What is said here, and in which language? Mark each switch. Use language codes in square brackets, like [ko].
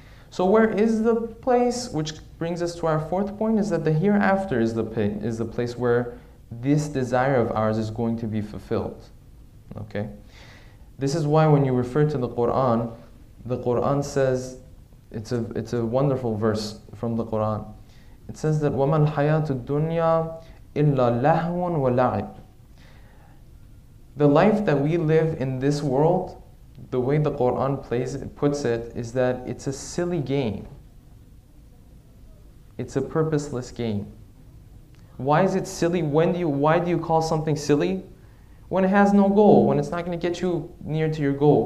[en] So where is the place? Which brings us to our fourth point, is that the hereafter is the place where this desire of ours is going to be fulfilled. Okay? This is why when you refer to the Qur'an says, it's a wonderful verse from the Qur'an. It says that, [ar] وَمَا الْحَيَاةُ الدُّنْيَا إِلَّا لَهْوٌ وَلَعِبٌ. [en] The life that we live in this world, the way the Qur'an puts it, is that it's a silly game. It's a purposeless game. Why is it silly? Why do you call something silly? When it has no goal, when it's not going to get you near to your goal.